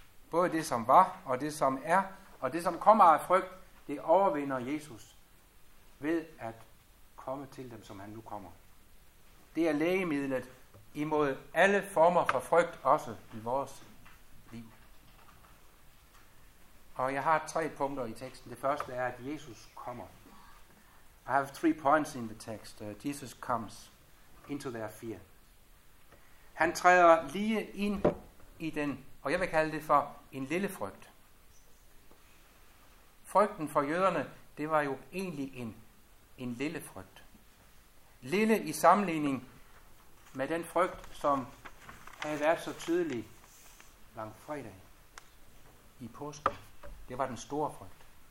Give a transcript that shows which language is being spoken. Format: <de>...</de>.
<da>Både det, som var, og det, som er, og det, som kommer af frygt, det overvinder Jesus ved at komme til dem, som han nu kommer. Det er lægemidlet imod alle former for frygt, også i vores liv. Og jeg har tre punkter i teksten. Det første er, at Jesus kommer.</da> <en>I have three points in the text. Jesus comes into their fear.</en> <da>Han træder lige ind i den, og jeg vil kalde det for en lille frygt. Frygten for jøderne, det var jo egentlig en lille frygt. Lille i sammenligning med den frygt, som havde været så tydelig langt fredag i påsken. Det var den store frygt.</da>